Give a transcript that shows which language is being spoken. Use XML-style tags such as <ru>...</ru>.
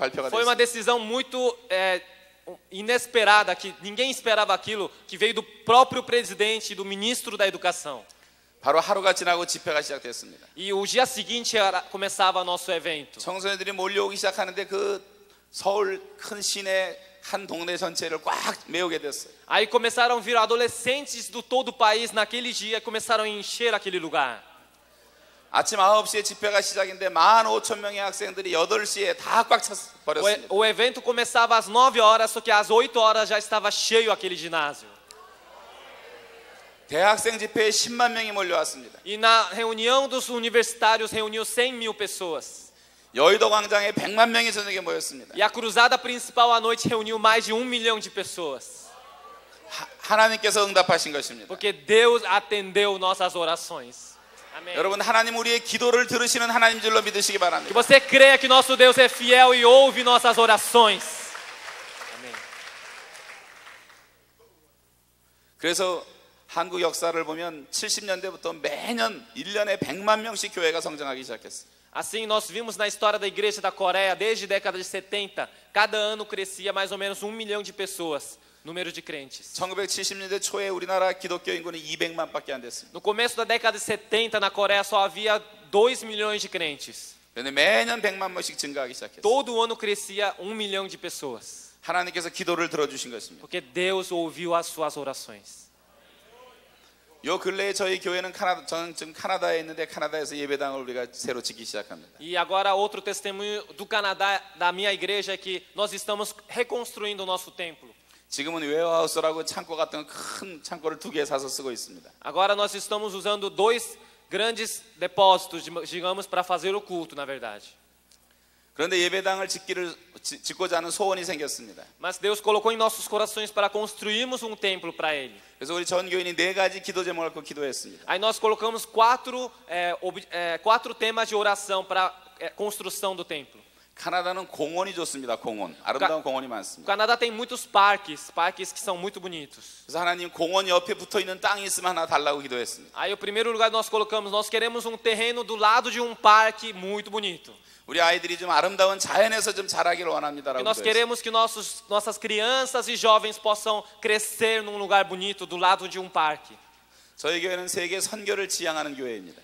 <pt>Foi uma decisão muito inesperada, que ninguém esperava aquilo, que veio do próprio presidente, do ministro da educação.</pt> <ko>Baro 하루가 지나고 집회가 시작됐습니다.</ko> <pt>E o dia seguinte começava nosso evento.</pt> <ko>청소년들이 몰려오기 시작하는데 그 서울 큰 시내 한 동네 전체를 꽉 메우게 됐어요.</ko> <pt>Aí começaram a vir adolescentes do todo o país naquele dia e começaram a encher aquele lugar.</pt> <ko>아침 9시에 집회가 시작인데 15,000 명의 학생들이 8시에 다 꽉 차 버렸습니다.</ko> <pt>O evento começava às 9 horas, só que às 8 horas já estava cheio aquele ginásio.</pt> <ko>대학생 집회에 10만 명이 몰려왔습니다.</ko> <pt>E na reunião dos universitários reuniu 100.000 pessoas.</pt> <ko>여의도 광장에 100만 명이 저녁에 모였습니다.</ko> <pt>E a cruzada principal à noite reuniu mais de 1 milhão de pessoas.</pt> <ko>하나님께서 응답하신 것입니다.</ko> <pt>Porque Deus atendeu nossas orações. Amém.</pt> <ko>여러분, 하나님 우리의 기도를 들으시는 하나님 줄로 믿으시기 바랍니다.</ko> <pt>Que você creia que nosso Deus é fiel e ouve nossas orações. Amém.</pt> <ko>그래서 한국 역사를 보면 70년대부터 매년 1년에 100만 명씩 교회가 성장하기 시작했어요.</ko> <pt>Assim nós vimos na história da igreja da Coreia desde a década de 70, cada ano crescia mais ou menos 1 milhão de pessoas, número de crentes.</pt> <ko>1970년대 초에 우리나라 기독교 인구는 200만밖에 안 됐습니다.</ko> <pt>No começo da década de 70 na Coreia só havia 2 milhões de crentes.</pt> <ko>매년 100만 명씩 증가하기 시작했어요.</ko> <pt>Todo ano crescia 1 milhão de pessoas.</pt> <ko>하나님께서 기도를 들어주신 것입니다.</ko> <pt>Porque Deus ouviu as suas orações.</pt> <ko>요 근래에 저희 교회는 캐나다, 저는 지금 캐나다에 있는데 캐나다에서 예배당을 우리가 새로 짓기 시작합니다.</ko> <pt>E agora outro testemunho do Canadá da minha igreja é que nós estamos reconstruindo o nosso templo.</pt> <ko>지금은 웨어하우스라고 창고 같은 큰 창고를 두 개 사서 쓰고 있습니다.</ko> <pt>Agora nós estamos usando dois grandes depósitos, digamos, para fazer o culto, na verdade.</pt> <ko>그런데 예배당을 짓기를 짓고자 하는 소원이 생겼습니다.</ko> <pt>Mas Deus colocou em nossos corações para construirmos um templo para ele.</pt> <ko>그래서 우리 전 교인이 네 가지 기도 제목을 갖고 기도했습니다.</ko> <pt>Aí nós colocamos quatro temas de oração para construção do templo.</pt> <ko>캐나다는 공원이 좋습니다. 공원. 아름다운 공원이 많습니다.</ko> <pt>O Canadá tem muitos parques, parques que são muito bonitos.</pt> <ko>그래서 하나님 공원 옆에 붙어 있는 땅이 있으면 하나 달라고 기도했습니다.</ko> <pt>Aí o primeiro lugar nós colocamos, nós queremos um terreno do lado de um parque muito bonito.</pt> <ko>우리 아이들이 좀 아름다운 자연에서 좀 자라기를 원합니다라고.</ko> <pt>Nós queremos que nossas crianças e jovens possam crescer num lugar bonito do lado de um parque.</pt> <ko>저희 교회는 세계 선교를 지향하는 교회입니다.</ko>